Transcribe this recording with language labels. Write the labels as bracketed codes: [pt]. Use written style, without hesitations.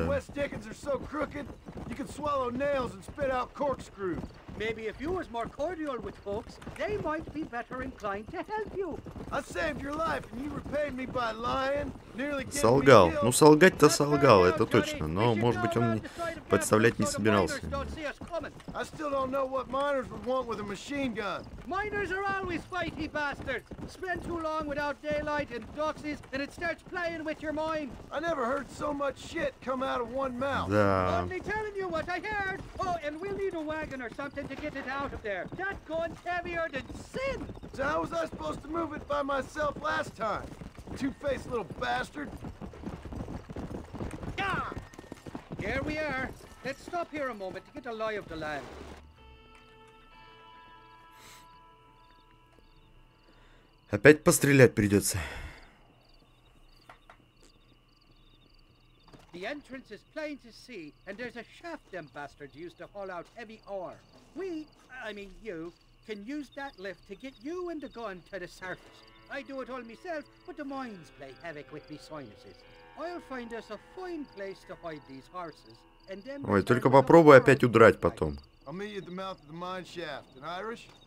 [en] And Wes Dickens are so crooked, you can swallow nails and spit out corkscrews. Maybe if you was more cordial with folks, they might be better inclined to help you. I saved your life, and you repaid me by lying, nearly killed. [ru] Солгал. Ну, солгать-то солгал, это точно. Но, может быть, он подставлять не собирался. [en] I still don't know what miners would want with a machine gun. Miners are always fighty bastards. Spend too long without daylight and doxies, and it starts playing with your mind. I never heard so much shit come out of one mouth. [ru] Да. [en] Only telling you what I heard. Oh, and we'll need a wagon or something. Martin to get it out of there. That gun's heavier than sin. So how was I supposed to move it by myself last time? Two-faced little bastard. Yeah. Here we are. Let's stop here a moment to get a lie of the land. [ru] Опять пострелять придется. [en] The entrance is plain to see, and there's a shaft them bastards use to haul out heavy ore. We, I mean you, can use that lift to get you and the gun to the surface. I do it all myself, but the mines play havoc with me sinuses. I'll find us a fine place to hide these horses, and then... [ru] Ой, только попробуй опять удрать потом. [en] I'll meet you at the mouth of the mine shaft, an Irish?